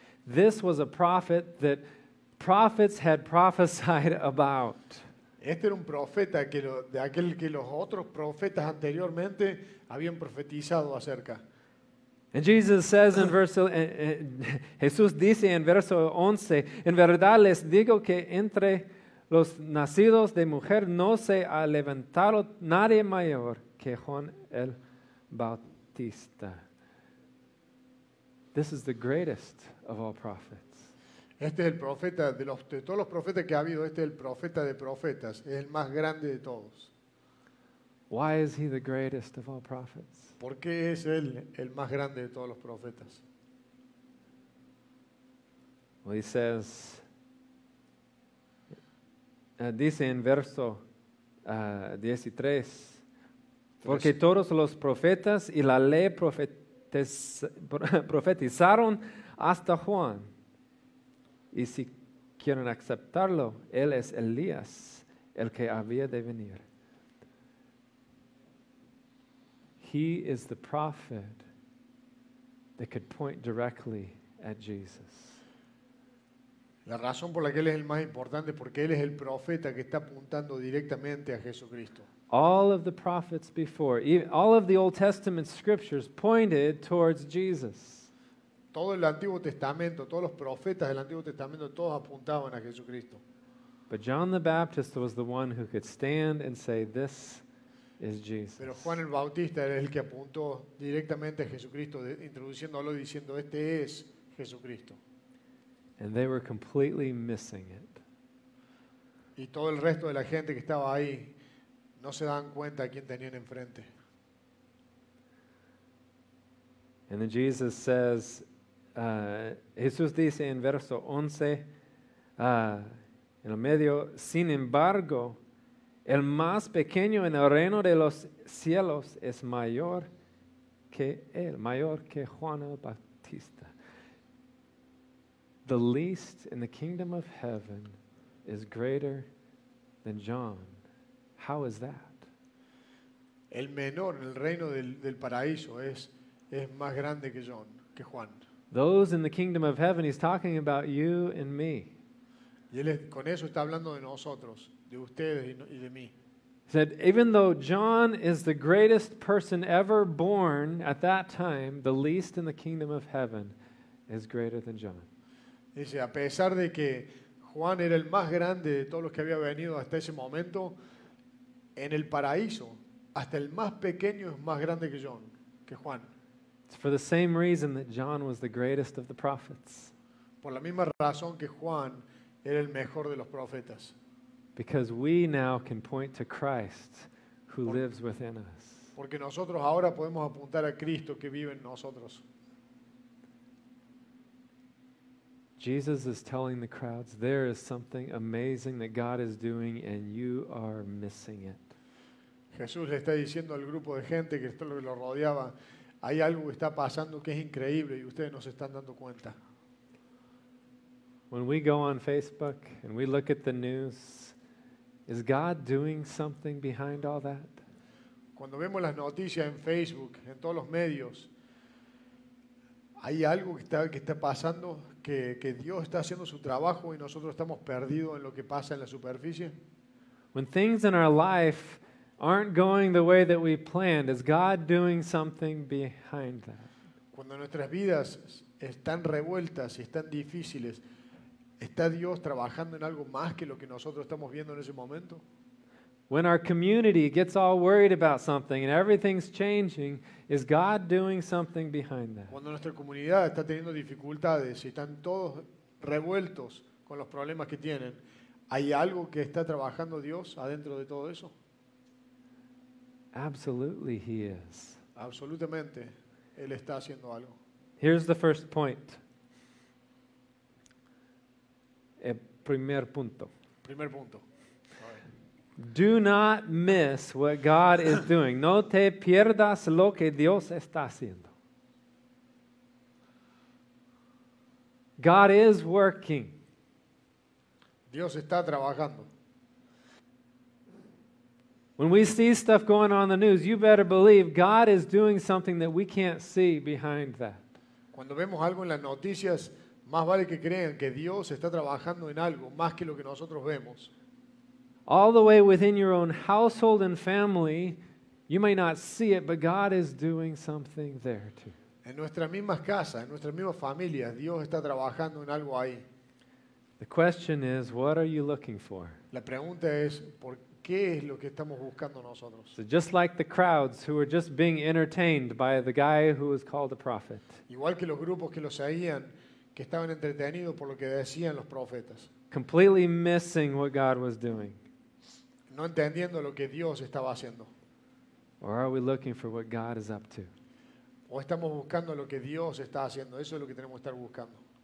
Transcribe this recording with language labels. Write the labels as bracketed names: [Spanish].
[English] This was a prophet that prophets had prophesied about. [Spanish] Este era un profeta de aquel que los otros profetas anteriormente habían profetizado acerca. [English] And Jesus says in verse, [Spanish] Jesús dice en verso 11, en verdad les digo que entre los nacidos de mujer no se ha levantado nadie mayor que Juan el Bautista. [English] This is the greatest of all prophets. [Spanish] Este es el profeta de los de todos los profetas que ha habido. Este es el profeta de profetas. Es el más grande de todos. [English] Why is he the greatest of all prophets? [Spanish] ¿Por qué es él el más grande de todos los profetas? [English] Well, he says, [Spanish] dice en verso 13, porque todos los profetas y la ley profetizaron hasta Juan. Y si quieren aceptarlo, él es Elías, el que había de venir. [English] He is the prophet that could point directly at Jesus. [Spanish] La razón por la que él es el más importante es porque él es el profeta que está apuntando directamente a Jesucristo. [English] All of the prophets before, even all of the Old Testament scriptures pointed towards Jesus. [Spanish] Todo el Antiguo Testamento, todos los profetas del Antiguo Testamento, todos apuntaban a Jesucristo. [English] But John the Baptist was the one who could stand and say, "This is Jesus." [Spanish] Pero Juan el Bautista era el que apuntó directamente a Jesucristo, introduciéndolo y diciendo, "Este es Jesucristo." [English] And they were completely missing it. [Spanish] Y todo el resto de la gente que estaba ahí no se dan cuenta a quién tenían enfrente. [English] And then Jesus says, [Spanish] Jesús dice en verso 11, en el medio, sin embargo, el más pequeño en el reino de los cielos es mayor que él, mayor que Juan el Bautista. [English] The least in the kingdom of heaven is greater than John. How is that? [Spanish] El menor en el reino del paraíso es más grande que John, que Juan. [English] Those in the kingdom of heaven, he's talking about you and me. [Spanish] Y él con eso está hablando de nosotros, de ustedes y de mí. [English] He said, even though John is the greatest person ever born at that time, the least in the kingdom of heaven is greater than John. [Spanish] Dice, a pesar de que Juan era el más grande de todos los que había venido hasta ese momento, en el paraíso, hasta el más pequeño es más grande que John, que Juan. [English] It's for the same reason that John was the greatest of the prophets. [Spanish] Por la misma razón que Juan era el mejor de los profetas. [English] Because we now can point to Christ who lives within us. [Spanish] Porque nosotros ahora podemos apuntar a Cristo que vive en nosotros. [English] Jesus is telling the crowds, there is something amazing that God is doing and you are missing it. [Spanish] Jesús le está diciendo al grupo de gente que esto lo rodeaba, hay algo que está pasando que es increíble y ustedes no se están dando cuenta. [English] When we go on Facebook and we look at the news, is God doing something behind all that? [Spanish] Cuando vemos las noticias en Facebook, en todos los medios, hay algo que está pasando que Dios está haciendo su trabajo y nosotros estamos perdidos en lo que pasa en la superficie. [English] When things in our life aren't going the way that we planned, is God doing something behind that? [Spanish] Cuando nuestras vidas están revueltas y están difíciles, ¿está Dios trabajando en algo más que lo que nosotros estamos viendo en ese momento? [English] When our community gets all worried about something and everything's changing, is God doing something behind that? [Spanish] Cuando nuestra comunidad está teniendo dificultades y están todos revueltos con los problemas que tienen, ¿hay algo que está trabajando Dios adentro de todo eso? [English] Absolutely, he is. [Spanish] Absolutamente, él está haciendo algo. [English] Here's the first point. [Spanish] El primer punto. Primer punto. [English] Do not miss what God is doing. [Spanish] No te pierdas lo que Dios está haciendo. [English] God is working. [Spanish] Dios está trabajando. [English] When we see stuff going on in the news, you better believe God is doing something that we can't see behind that. [Spanish] Cuando vemos algo en las noticias, más vale que crean que Dios está trabajando en algo más que lo que nosotros vemos. [English] All the way within your own household and family, you may not see it, but God is doing something there too. [Spanish] En nuestras mismas casas, en nuestras mismas familias, Dios está trabajando en algo ahí. [English] The question is, what are you looking for? [Spanish] La pregunta es, ¿qué es lo que estamos buscando nosotros? [English] So just like the crowds who were just being entertained by the guy who was called a prophet. [Spanish] Igual que los grupos que lo seguían, que estaban entretenidos por lo que decían los profetas. [English] Completely missing what God was doing. [Spanish] No entendiendo lo que Dios estaba haciendo. [English] Or are we looking for what God is up to? [Spanish] O estamos buscando lo que Dios está haciendo. Eso es lo que tenemos que estar buscando.